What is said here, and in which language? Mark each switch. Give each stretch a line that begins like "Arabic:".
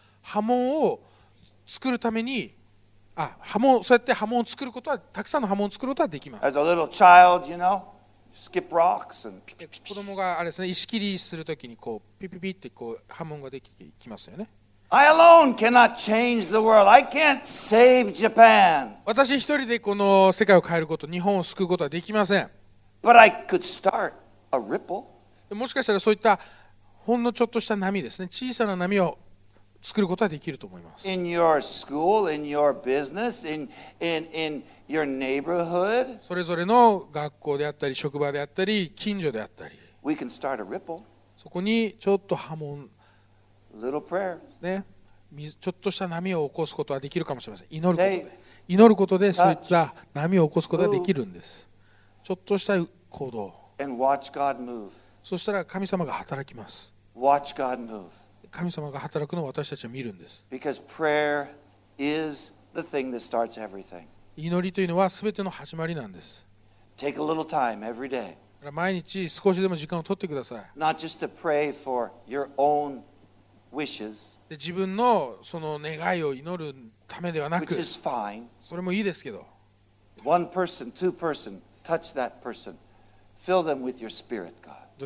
Japanese: 波紋を作るために、波紋、そうやって波紋を作ることは、たくさんの波紋を作ることはできます。
English: As a little child, you know, skip rocks and ピピピピ。
Japanese: 子供があれですね、石切りするときにこうピピピってこう波紋ができてきますよね。
English: I alone cannot change the world. I can't save Japan.
Japanese: 私一人でこの世界を変えること、日本を救うことはできません。
English: But I could start a ripple.
Japanese: もしかしたらそういったほんのちょっとした波ですね、小さな波を作ることはできると思います。
English: In your school, in your business, in your neighborhood.
Japanese: それぞれの学校であったり、職場であったり、近所であったり。
English: We can start a ripple.
Japanese: そこにちょっと波紋。
English: Little prayer.
Japanese: ね、ちょっとした波を起こすことはできるかもしれません。祈ることで。祈ることでそういった波を起こすことができるんです。ちょっとした行動。
English: And watch God move.
Japanese: そしたら神様が働きます。
English: Watch God move.
Japanese: 神様が働くのを私たちは見るんです。
English: Because prayer is the thing that starts everything.
Japanese: 祈りというのは全ての始まりなんです。
English: Take a little time every day.
Japanese: 毎日少しでも時間を取ってください。
English: Not just to pray for your own wishes.
Japanese: 自分のその願いを祈るためではなく、
English: Which is fine.
Japanese: それもいいですけど。
English: One person, two person, touch that person. Fill them with your spirit, God.